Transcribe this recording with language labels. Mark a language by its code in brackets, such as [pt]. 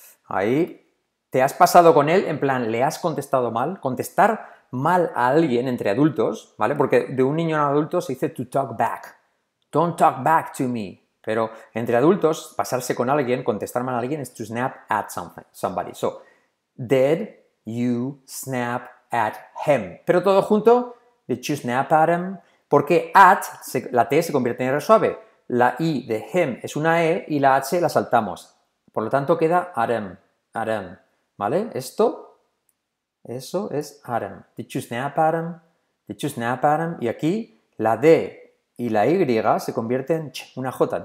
[es] Ahí. ¿Te has pasado con él? En plan, ¿le has contestado mal? Contestar mal a alguien entre adultos, ¿vale? Porque de un niño a un adulto se dice to talk back. [en] Don't talk back to me. [es] Pero entre adultos, pasarse con alguien, contestar mal a alguien, es to snap at somebody. [en] So, did you snap at him? [es] Pero todo junto, did you snap at him? Porque at, la T se convierte en R suave. La I de him es una E y la H la saltamos. [en] Por lo tanto, queda at him, at him. ¿Vale? Esto, eso es at him. Did you snap at him? Did you snap at him? [es] Y aquí, la D y la Y se convierte en una J.